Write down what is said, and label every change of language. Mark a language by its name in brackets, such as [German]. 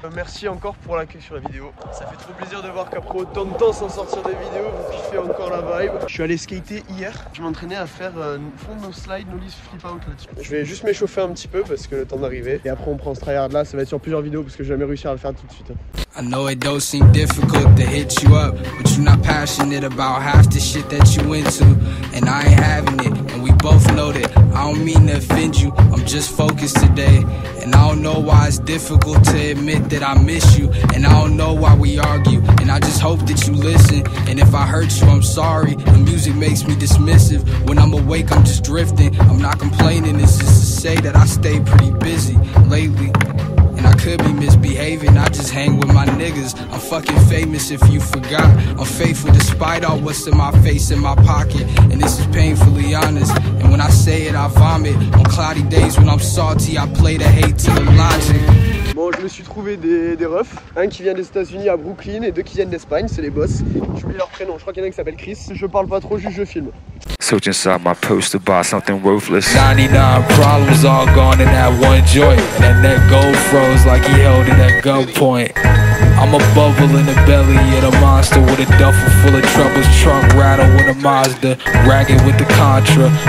[French] Merci encore pour l'accueil sur la vidéo. Ça fait trop plaisir de voir qu'après autant de temps sans sortir des vidéos, vous kiffez encore la vibe. Je suis allé skater hier. Je m'entraînais à faire fond no slide, no lease flip out là-dessus. Je vais juste m'échauffer un petit peu parce que le temps d'arriver. Et après, on prend ce tryhard là. Ça va être sur plusieurs vidéos parce que j'ai jamais réussi à le faire tout de suite. [English] I know it don't seem difficult to hit you up, but you're not passionate about half the shit that you into, and I ain't having it, and we both know that. I don't mean to offend you, I'm just focused today, and I don't know why it's difficult to admit that I miss you, and I don't know why we argue, and I just hope that you listen, and if I hurt you, I'm sorry, the music makes me dismissive, when I'm awake, I'm just drifting, I'm not complaining, it's just to say that I stay pretty busy lately. I could be misbehaving, I just hang with my niggas. I'm fucking famous if you forgot. I'm faithful despite all what's in my face, in my pocket. And this is painfully honest. And when I say it, I vomit. On cloudy days when I'm salty, I play the hate to the logic. [French] Bon, je me suis trouvé des refs. Un qui vient des États-Unis à Brooklyn et deux qui viennent d'Espagne, c'est les boss. J'oublie leur prénom, je crois qu'il y en a qui s'appelle Chris. Je parle pas trop, juste je filme. [English] Search inside my poster box, something ruthless. 99 problems all gone in that one joint. And that gold froze like he held it at gunpoint. I'm a bubble in the belly of the monster with a duffel full of troubles. Trunk rattle with a Mazda, ragged with the Contra.